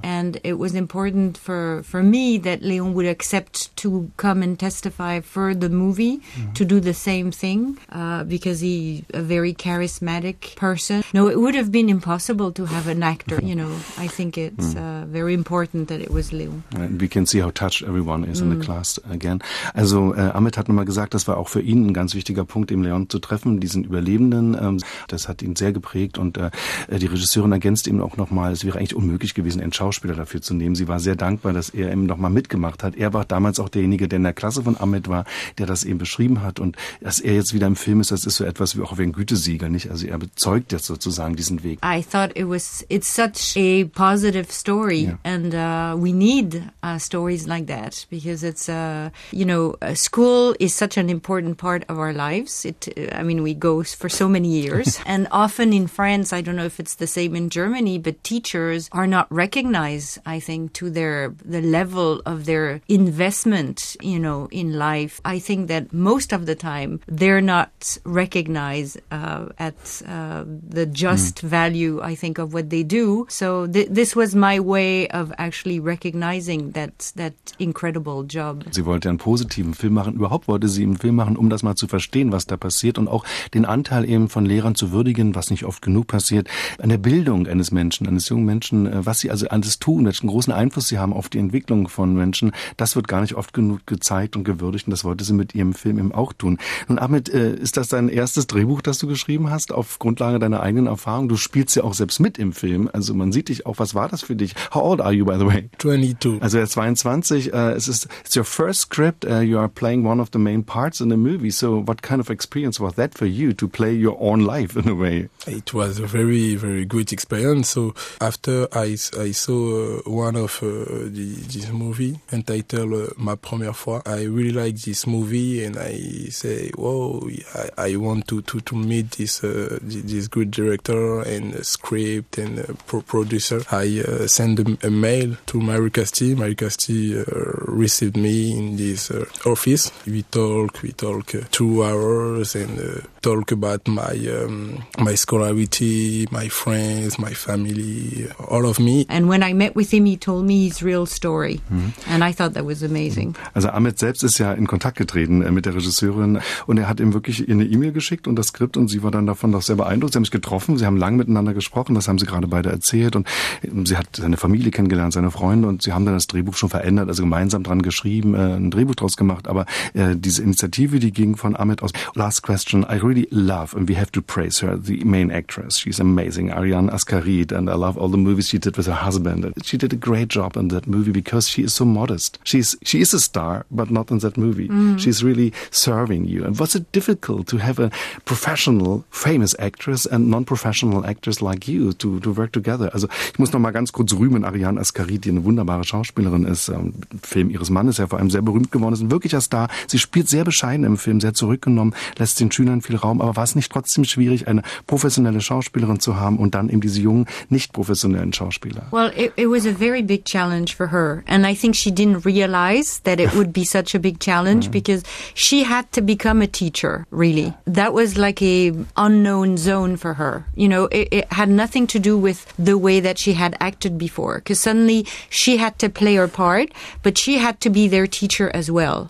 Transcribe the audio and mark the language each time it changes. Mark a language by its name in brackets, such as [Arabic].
[English] And it was important for me that Leon would accept to come and testify for the movie, to do the same thing, because he's a very charismatic person. No, it would have been impossible to have an actor, you know. I think it's very important that it was Leon. We can see how touched everyone is in the class again. [German] Also Amit hat nochmal gesagt, das war auch für ihn ein ganz wichtiger Punkt, eben Leon zu treffen, diesen Überlebenden. Das hat ihn sehr geprägt und die Regisseurin ergänzt ihm auch nochmal, es wäre eigentlich unmöglich gewesen, einen Schauspieler dafür zu nehmen. Sie war sehr dankbar, dass er eben nochmal mitgemacht hat. Er war damals auch derjenige, der in der Klasse von Amit war, der das eben beschrieben hat, und dass er jetzt wieder im Film ist, das ist so etwas wie auch wie ein Gütesieger, nicht? Also er bezeugt jetzt sozusagen diesen Weg. [English] I thought it's such a positive story, and we need stories like that, because it's school is such an important part of our lives. We go for so many years, and often in France, I don't know if it's the same in Germany, but teachers are not recognized, I think, to the level of their investment, you know, in life. I think that most of the time they're not recognized at the just value, I think, of what they do. So this was my way of actually recognizing that incredible job. [German] Sie wollte einen positiven Film machen. Überhaupt wollte sie einen Film machen, um das mal zu verstehen, was da passiert und auch den Anteil eben von Lehrern zu würdigen, was nicht oft genug passiert, an der Bildung eines Menschen, eines jungen Menschen, was sie also alles tun, welchen großen Einfluss sie haben auf die Entwicklung von Menschen. Das wird gar nicht oft genug gezeigt und gewürdigt und das wollte sie mit ihrem Film eben auch tun. Nun, Ahmed, ist das dein erstes Drehbuch, das du geschrieben hast, auf Grundlage deiner eigenen Erfahrung? Du spielst ja auch selbst mit im Film, also man sieht dich auch. Was war das für dich? [English] How old are you, by the way? 22. Also 22, it's your first script, you are playing one of the main parts in the movie, so what kind of experience was that for you to play your own life in a way? It was a very, very good experience. So after I saw one of this movie entitled Ma Première Fois, I really liked this movie and I say, whoa, I want to meet this good director and script and producer. I sent a mail to Marie-Casti. Marie-Casti received me in this office. We talk 2 hours and talk about my scholarity, my friends, my family, all of me. And when I met with him, he told me his real story. Mm-hmm. And I thought that was amazing. [German] Also Ahmed selbst ist ja in Kontakt getreten mit der Regisseurin und er hat ihm wirklich eine E-Mail geschickt und das Skript und sie war dann davon doch sehr beeindruckt. Sie haben sich getroffen, sie haben lang miteinander gesprochen, das haben sie gerade beide erzählt und sie hat seine Familie kennengelernt, seine Freunde und sie haben dann das Drehbuch schon verändert, also gemeinsam dran geschrieben, ein Drehbuch draus gemacht. Aber diese Initiative, die ging von Ahmed aus. [English] Last question. I really love and we have to praise her, the main actress. She's amazing. Ariane Ascaride. And I love all the movies she did with her husband. She did a great job in that movie because she is so modest. She is a star, but not in that movie. Mm. She's really serving you. And was it difficult to have a professional, famous actress and non-professional actress like you to work together? [German] Also, ich muss noch mal ganz kurz rühmen, Ariane Ascaride, die eine wunderbare Schauspielerin ist, im Film ihres Mannes ja vor allem sehr berühmt geworden ist, ein wirklicher Star. Sie spielt sehr bescheiden im Film, sehr zurückgenommen, lässt den Schülern viel Raum, aber war es nicht trotzdem schwierig, eine professionelle Schauspielerin zu haben und dann eben diese jungen, nicht professionellen Schauspieler? [English] Well, it was a very big challenge for her and I think she didn't realize that it would be such a big challenge because she had to become a teacher, really. That was like a unknown zone for her. You know, it had nothing to do with the way that she had acted before, because suddenly she had to play her part, but she had to be their teacher as well.